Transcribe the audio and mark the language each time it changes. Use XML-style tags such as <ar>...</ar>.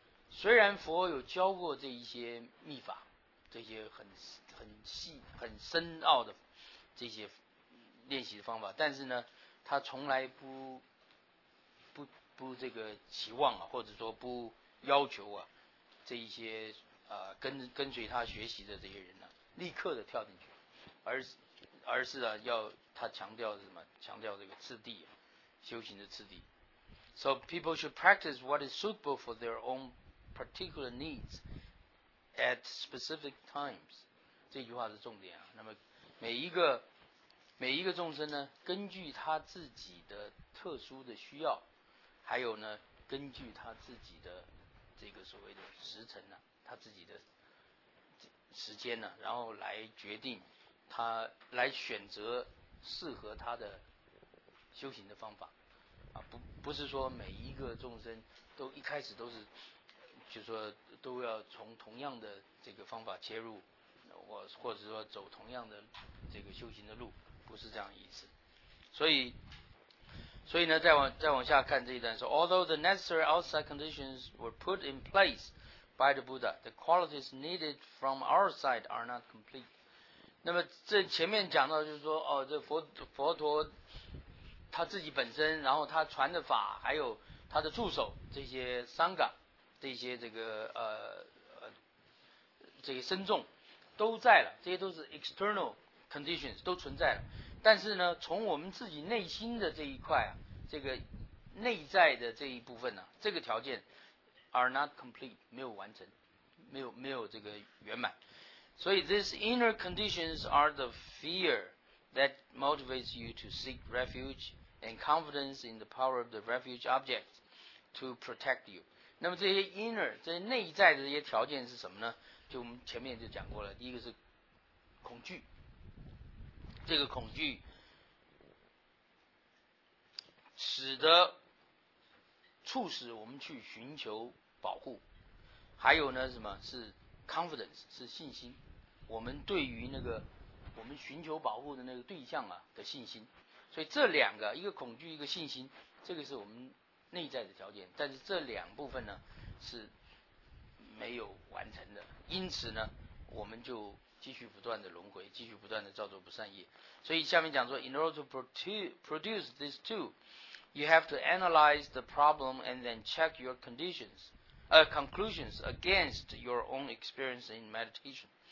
<zh>虽然佛有教过这一些秘法，这些很细很深奥的这些练习的方法，但是呢，他从来不这个期望啊，或者说不要求啊，这一些跟随他学习的这些人呢、啊，立刻的跳进去，而是啊，要他强调什么？强调这个次第、啊，修行的次第。</zh> <en>So people should practice what is suitable for their own particular needs at specific times。</en> <zh>这句话是重点啊。那么每一个众生呢，根据他自己的特殊的需要，还有呢，根据他自己的这个所谓的时辰呢、啊，他自己的时间呢、啊，然后来决定他来选择适合他的修行的方法啊，不是说每一个众生都一开始都是就是说都要从同样的这个方法切入，或者说走同样的这个修行的路，不是这样意思。所以呢，再往下看这一段说，</zh> <en>Although the necessary outside conditions were put in place by the Buddha, the qualities needed from our side are not complete.</en> <zh>那么这前面讲到就是说，哦，这佛陀他自己本身，然后他传的法，还有他的助手这些僧伽，这些这个僧众都在了，这些都是</zh> <en>external conditions</en> <zh>都存在了。但是呢，从我们自己内心的这一块啊，这个内在的这一部分呢、啊，这个条件</zh> <en>are not complete</en> <zh>没有完成，没有这个圆满。所以</zh> <en>these inner conditions are the fear that motivates you to seek refuge and confidence in the power of the refuge object to protect you。</en> <zh>那么这些 inner 这些内在的这些条件是什么呢？就我们前面就讲过了，第一个是恐惧。这个恐惧促使我们去寻求保护。还有呢，什么是 confidence， 是信心。我们对于那个我们寻求保护的那个对象啊的信心。所以这两个，一个恐惧，一个信心，这个是我们内在的条件。但是这两部分呢是没有完成的，因此呢我们就继续不断的轮回，继续不断的造作不善业。所以下面讲说，</zh> <en>In order to produce these two, you have to analyze the problem and then check your conclusions against your own experience in meditation.</en>